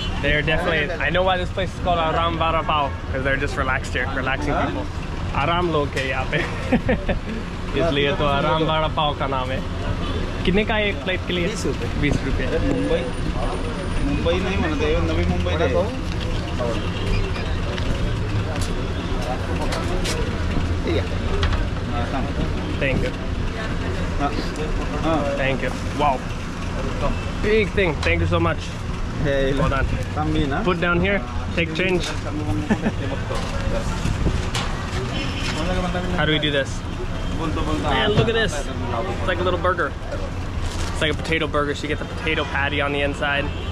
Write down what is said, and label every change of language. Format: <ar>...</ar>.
<en>They're definitely, I know why this place is called Aram Vada Pav. Because they're just relaxed here, relaxing people.</en> <hi>आराम लोग है यहाँ पे इसलिए तो आराम वाड़ा पाव का नाम है कितने का एक प्लेट के लिए 20 रुपये मुंबई नहीं मानते Navi Mumbai</hi> <en>Thank you thank you wow big thing thank you so much hello put down here take change How do we do this? Man, look at this. It's like a little burger. It's like a potato burger, so you get the potato patty on the inside.</en>